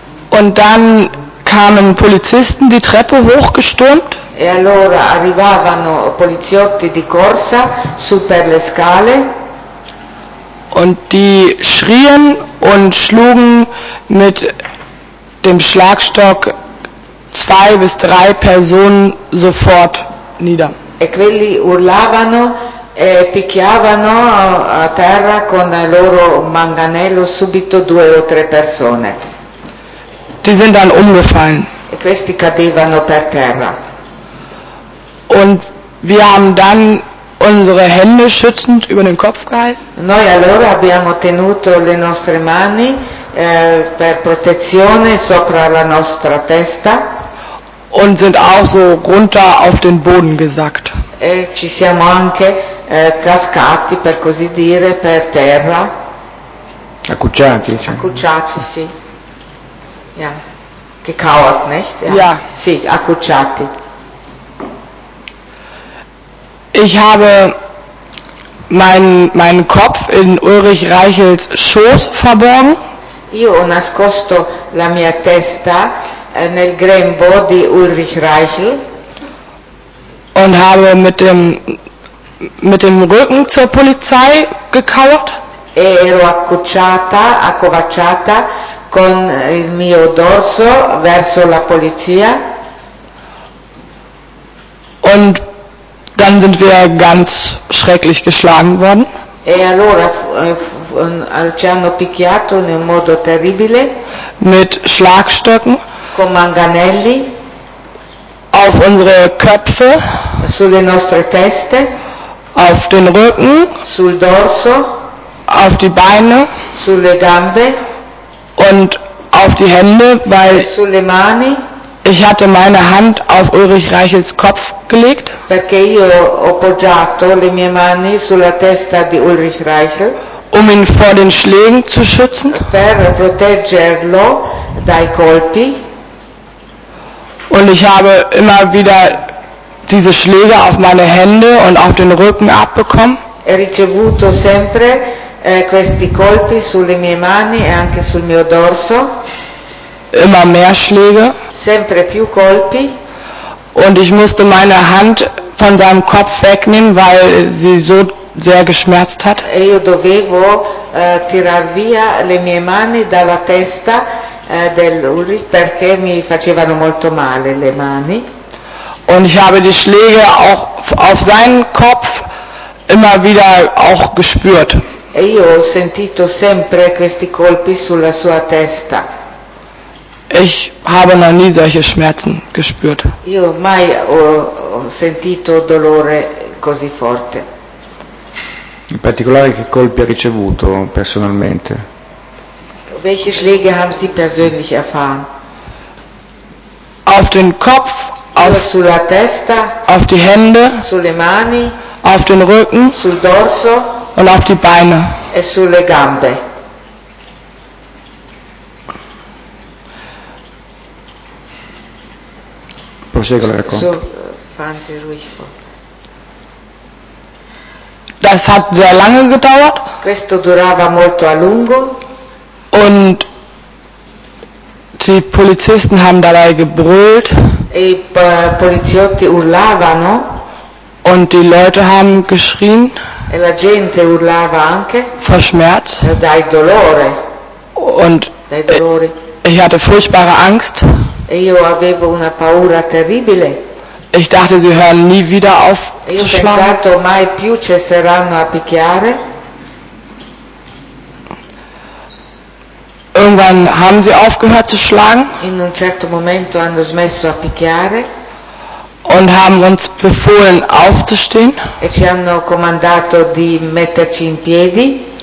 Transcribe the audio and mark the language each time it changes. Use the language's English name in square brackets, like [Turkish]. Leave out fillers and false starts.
[German] Und dann kamen Polizisten die Treppe hochgestürmt. [Italian] E allora arrivavano poliziotti di corsa su per le scale. [German] Und die schrien und schlugen mit dem Schlagstock zwei bis drei Personen sofort nieder. [Italian] E quelli urlavano e picchiavano a terra con il loro manganello subito due o tre persone. [German] Die sind dann umgefallen. [Italian] E questi cadevano per terra. [German] Und wir haben dann unsere Hände schützend über den Kopf gehalten. [Italian] Noi allora abbiamo tenuto le nostre mani per protezione sopra la nostra testa. [German] Und sind auch so runter auf den Boden gesackt. [Italian] E ci siamo anche cascati, per così dire, per terra. Accucciati. Accucciati, sì. [German] Ja. Gekauert, nicht? Ja. Ja. [Italian] Sì, accucciati. [German] Ich habe meinen Kopf in Ulrich Reichels Schoß verborgen. [Italian] Io ho nascosto la mia testa nel grembo di Ulrich Reichel. [German] Und habe mit dem Rücken zur Polizei gekauert. [Italian] E ero accovacciata con il mio dorso verso la polizia. [German] Und dann sind wir ganz schrecklich geschlagen worden. [Italian] E allora ci hanno picchiato in modo terribile. [German] Mit Schlagstöcken. [Italian] Con manganelli. [German] Auf unsere Köpfe. [Italian] Sulle nostre teste. [German] Auf den Rücken. [Italian] Sul dorso. [German] Auf die Beine. [Italian] Sulle gambe. [German] Und auf die Hände, weil [Italian] sulle mani. [German] Ich hatte meine Hand auf Ulrich Reichels Kopf gelegt. [Italian] Perché io ho poggiato le mie mani sulla testa di Ulrich Reichel. [German] Um ihn vor den Schlägen zu schützen. [Italian] Per proteggerlo dai colpi. [German] Und ich habe immer wieder diese Schläge auf meine Hände und auf den Rücken abbekommen. [Italian] E ricevuto sempre questi colpi sulle mie mani e anche sul mio dorso. [German] Immer mehr Schläge. [Italian] Sempre più colpi. [German] Und ich musste meine Hand von seinem Kopf wegnehmen, weil sie so sehr geschmerzt hat. [Italian] E io dovevo tirar via le mie mani dalla testa del Ulrich, perché mi facevano molto male le mani. [German] Und ich habe die Schläge auch auf seinen Kopf immer wieder auch gespürt. [Italian] E io ho sentito sempre questi colpi sulla sua testa. [German] Ich habe noch nie solche Schmerzen gespürt. [Italian] Io mai ho sentito dolore così forte. In particolare, che colpi ha ricevuto personalmente? [German] Welche Schläge haben Sie persönlich erfahren? Auf den Kopf, auf [Italian] sulla testa, [German] auf die Hände, [Italian] sulle mani, [German] auf den Rücken, [Italian] sul dorso, [German] und auf die Beine. [Italian] E sulle gambe. Prosegue la racconto. [German] Fahren Sie ruhig vor. Das hat sehr lange gedauert. [Italian] Questo durava molto a lungo. [German] Und die Polizisten haben dabei gebrüllt. [Italian] I poliziotti urlavano. [German] Und die Leute haben geschrien. [Italian] E la gente urlava anche. [German] Vor Schmerz. [Italian] Dai dolore. [German] Und [Italian] dai dolori. [German] Ich hatte furchtbare Angst. [Italian] E io avevo una paura terribile. [German] Ich dachte, sie hören nie wieder auf zu schlagen. [Italian] Io pensato mai più cesseranno a picchiare. [German] Irgendwann haben sie aufgehört zu schlagen. [Italian] In un certo momento hanno smesso a picchiare. [German] Und haben uns befohlen aufzustehen. [Italian] E ci hanno comandato di metterci in piedi.